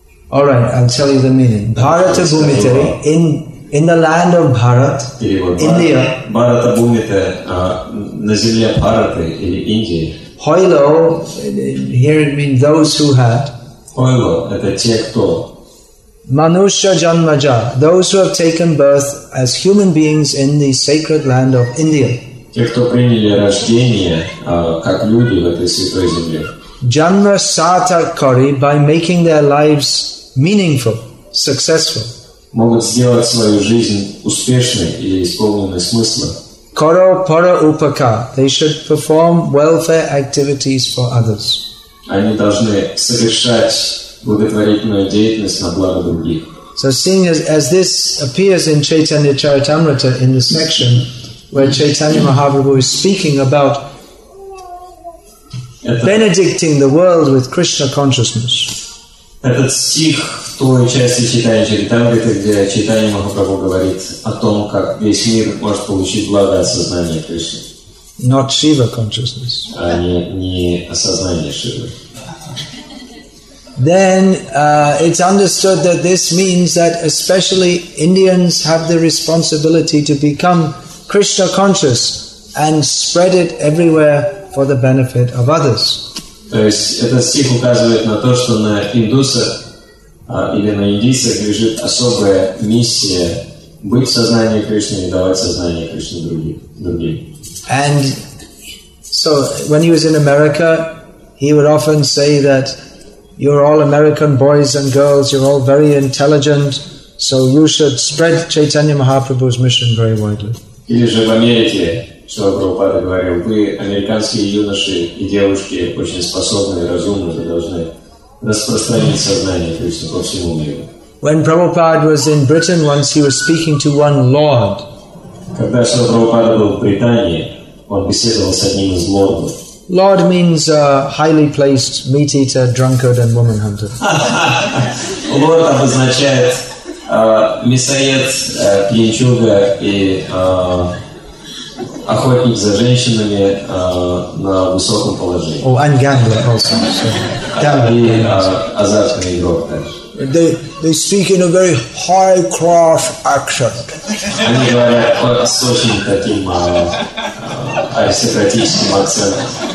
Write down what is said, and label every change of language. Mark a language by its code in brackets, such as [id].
[en] All right, I'll tell you the meaning. [bn] Bharata bhumite, [en] in the land of Bharat, India. [bn] Bharata bhumite, [ru] на земле Бхараты или Индии. [en] Hoino, here it means those who had. [ru] Hoilo, это те, кто... [bn] Manushya janmaja, [en] those who have taken birth as human beings in the sacred land of India. [ru] Те, кто приняли рождение как люди в этой святой земле. [bn] Janma sata kari, [en] by making their lives meaningful, successful. [ru] Могут сделать свою жизнь успешной и исполненной смысла. [bn] Karo para upaka, [en] they should perform welfare activities for others. [ru] Они должны совершать благотворительную деятельность на благо других. [en] So seeing as this appears in Chaitanya Charitamrita in the section where Chaitanya Mahaprabhu is speaking about Benedicting the world with Krishna consciousness. [ru] Этот стих в той части читания Чаритамриты, где читание Махапрабху говорит о том, как весь мир может получить благо от сознания Кришны. [en] Not Shiva consciousness. [ru] А не осознание Шивы. [en] Then it's understood that this means that especially Indians have the responsibility to become Krishna conscious and spread it everywhere for the benefit of others. [ru] То есть этот стих указывает на то, что на индусах или на индийцах лежит особая миссия быть в сознании Кришны и давать сознание Кришны другим. [en] And so when he was in America, he would often say that you're all American boys and girls, you're all very intelligent, so you should spread Chaitanya Mahaprabhu's mission very widely. [ru] Или же в Америке, что Прабхупада говорил, вы американские юноши и девушки очень способные, разумные, вы должны распространить сознание, то есть по всему миру. [en] When Prabhupada was in Britain once, he was speaking to one lord. [ru] Когда Шрила Прабхупада был в Британии, он беседовал с одним из лордов. [en] Lord means a highly placed meat eater, drunkard, and woman hunter. [ru] Lord обозначает мясоед, пьянчуга и охотник за женщинами на высоком положении. [en] Oh, and gambler also. [ru] Gambler. И азартный игрок также. [en] They speak in a very high class accent. [ru] Они говорят с очень таким аристократическим акцентом.